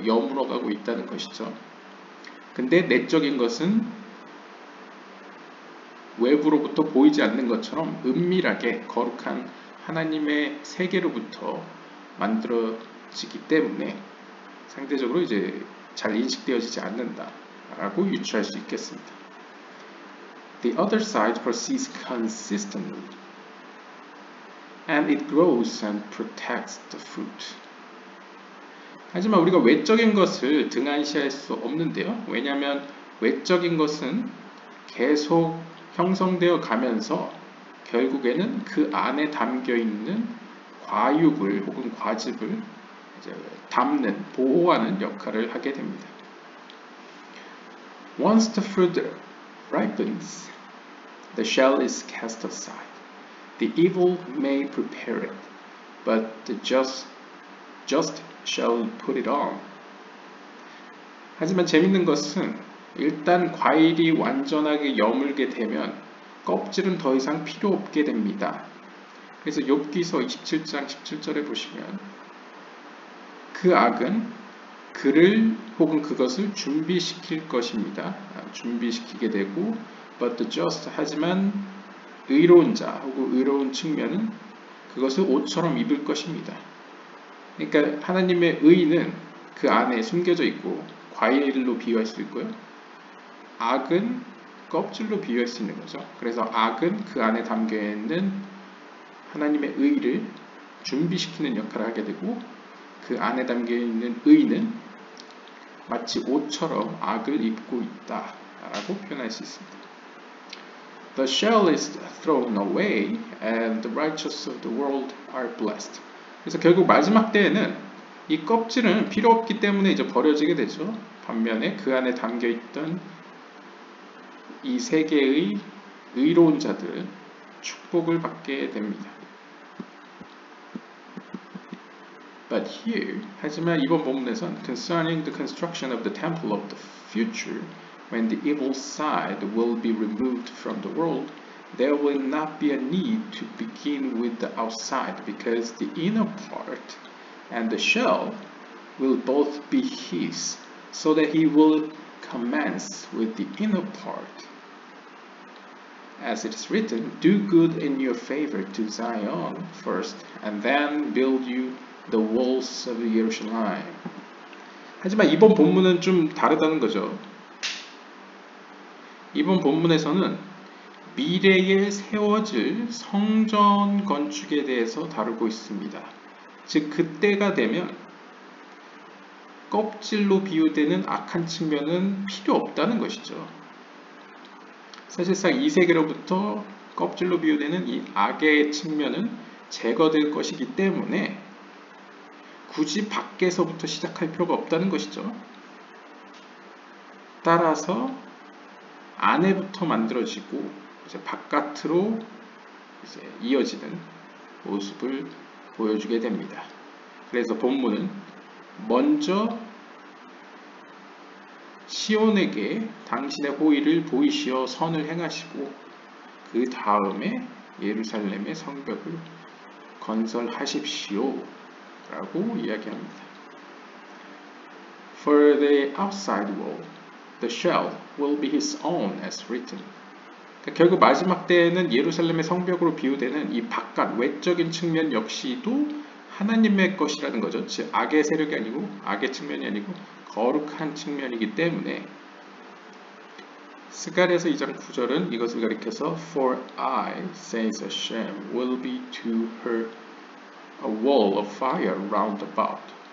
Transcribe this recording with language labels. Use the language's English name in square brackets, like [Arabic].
[Korean] 여물어가고 있다는 것이죠. 근데 내적인 것은 외부로부터 보이지 않는 것처럼 은밀하게 거룩한 하나님의 세계로부터 만들어지기 때문에 상대적으로 이제 잘 인식되어지지 않는다라고 유추할 수 있겠습니다. [English] The other side proceeds consistently and it grows and protects the fruit. [Korean] 하지만 우리가 외적인 것을 등한시할 수 없는데요. 왜냐하면 외적인 것은 계속 형성되어 가면서 결국에는 그 안에 담겨 있는 과육을 혹은 과즙을 이제 담는, 보호하는 역할을 하게 됩니다. [English] Once the fruit ripens, the shell is cast aside. The evil may prepare it, but the just shall put it on. [Korean] 하지만 재밌는 것은 일단 과일이 완전하게 여물게 되면 껍질은 더 이상 필요 없게 됩니다. 그래서 욥기서 27장 17절에 보시면 그 악은 그를 혹은 그것을 준비시킬 것입니다. 준비시키게 되고 [English] but the just [Korean] 하지만 의로운 자하고 의로운 측면은 그것을 옷처럼 입을 것입니다. 그러니까 하나님의 의는 그 안에 숨겨져 있고 과일로 비유할 수 있고요. 악은 껍질로 비유할 수 있는 거죠. 그래서 악은 그 안에 담겨있는 하나님의 의를 준비시키는 역할을 하게 되고 그 안에 담겨있는 의는 마치 옷처럼 악을 입고 있다 라고 표현할 수 있습니다. [English] The shell is thrown away and the righteous of the world are blessed. [Korean] 그래서 결국 마지막 때에는 이 껍질은 필요 없기 때문에 이제 버려지게 되죠. 반면에 그 안에 담겨있던 이 세계의 의로운 자들 축복을 받게 됩니다. [English] But here, [Korean] 하지만 이번 본문에선 [English] concerning the construction of the temple of the future, when the evil side will be removed from the world, there will not be a need to begin with the outside, because the inner part and the shell will both be his, so that he will commence with the inner part. As it is written, do good in your favor to Zion first, and then build you the walls of Jerusalem. [Korean] 하지만 이번 본문은 좀 다르다는 거죠. 이번 본문에서는 미래에 세워질 성전 건축에 대해서 다루고 있습니다. 즉, 그때가 되면 껍질로 비유되는 악한 측면은 필요 없다는 것이죠. 사실상 이 세계로부터 껍질로 비유되는 이 악의 측면은 제거될 것이기 때문에 굳이 밖에서부터 시작할 필요가 없다는 것이죠. 따라서 안에부터 만들어지고 이제 바깥으로 이제 이어지는 모습을 보여주게 됩니다. 그래서 본문은 먼저 시온에게 당신의 호의를 보이시어 선을 행하시고 그 다음에 예루살렘의 성벽을 건설하십시오 라고 이야기합니다. [English] For the outside wall, the shell will be his own as written. [Korean] 그러니까 결국 마지막 때에는 예루살렘의 성벽으로 비유되는 이 바깥 외적인 측면 역시도 하나님의 것이라는 거죠. 즉 악의 세력이 아니고 악의 측면이 아니고 거룩한 측면이기 때문에 스가랴서 2장 9절은 이것을 가리켜서 [English] For I, says Hashem, will be to her a wall of fire round about.